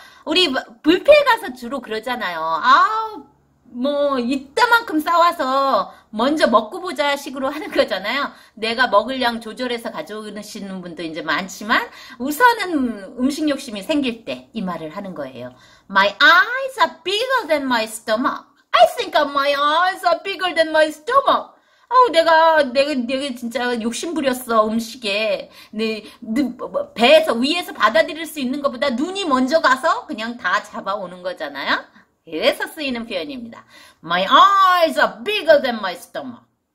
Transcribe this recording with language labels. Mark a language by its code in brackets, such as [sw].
[ko] 우리 뷔페 가서 주로 그러잖아요. 아, 뭐 이따만큼 싸와서 먼저 먹고 보자 식으로 하는 거잖아요. 내가 먹을 양 조절해서 가져오시는 분도 이제 많지만 우선은 음식 욕심이 생길 때이 말을 하는 거예요. [en] My eyes are bigger than my stomach. I think my eyes are bigger than my stomach. [ko] 내가 진짜 욕심 부렸어, 음식에. 배에서, 위에서 받아들일 수 있는 것보다 눈이 먼저 가서 그냥 다 잡아오는 거잖아요. 그래서 쓰이는 표현입니다. [en] My eyes are bigger than my stomach.